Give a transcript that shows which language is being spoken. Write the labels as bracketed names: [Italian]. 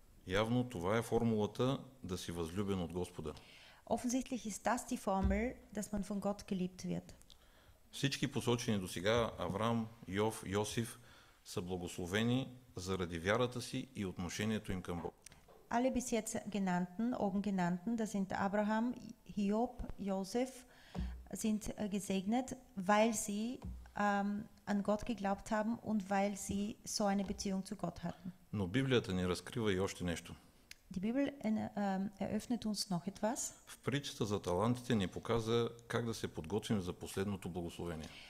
[Bulgarian] Явно това е формулата да си възлюбен от Господа. [German] Offensichtlich ist das die Formel, dass man von Gott geliebt wird. [Bulgarian] Всички посочени досега, Авраам, Йов, Йосиф, са благословени заради вярата си и отношението им към Бог. [German] Alle bis jetzt genannten, oben genannten, das sind Abraham, Hiob, Josef, sind gesegnet, weil sie an Gott geglaubt haben und weil sie so eine Beziehung zu Gott hatten. [Bulgarian] Но Библията ни разкрива и още нещо. [German] Die Bibel eröffnet uns noch etwas. [Bulgarian] В притчата за талантите ни показа как да се подготвим за последното благословение.